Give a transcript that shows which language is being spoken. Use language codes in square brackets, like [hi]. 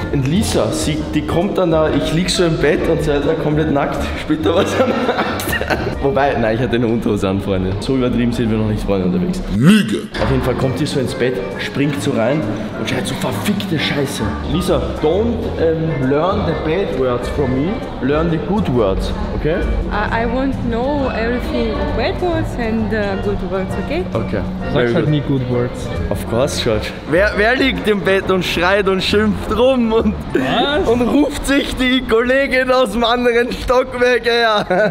[de] Und Lisa, ich lieg so im Bett und sie ist da komplett nackt. Spielt da was am Nackt? Wobei, nein, ich hatte eine Unterhose an, Freunde. So übertrieben sind wir noch nicht, Freunde, unterwegs. Lüge! Auf jeden Fall kommt sie so ins Bett, springt so rein und schreit so verfickte Scheiße. [en] Lisa, don't learn the bad words from me, learn the good words, okay? I won't know everything, bad words and good words, okay? Okay. [de] Sag halt nie [en] good words. Of course, George. [de] Wer liegt im Bett und schreit und schimpft rum und ruft sich die Kollegin aus dem anderen Stockwerk her?